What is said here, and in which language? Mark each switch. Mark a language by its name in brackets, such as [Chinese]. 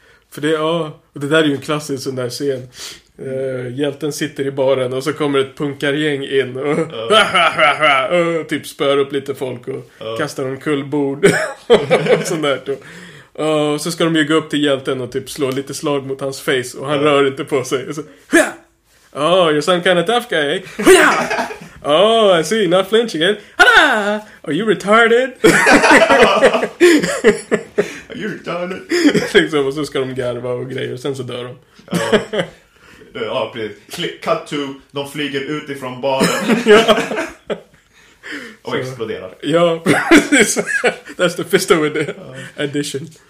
[Swedish] För det, och det där är ju en klassisk sån där scen. Hjälten sitter i baren och så kommer ett punkargäng in och typ spör upp lite folk och kastar en kullbord och sånt där. Så ska de ju gå upp till hjälten och typ slå lite slag mot hans face, och han rör inte på sig. Och så: [English] oh, you're some kind of tough guy, eh? Oh, I see, not flinching, eh? Are you retarded? you've done it. [Swedish] Liksom, och så ska de garva och grejer, och sen så dör de. Ja, precis. [English] Cut to, [Swedish] de flyger utifrån baren. Och så exploderar. Ja, precis. [English] That's the pistol edition.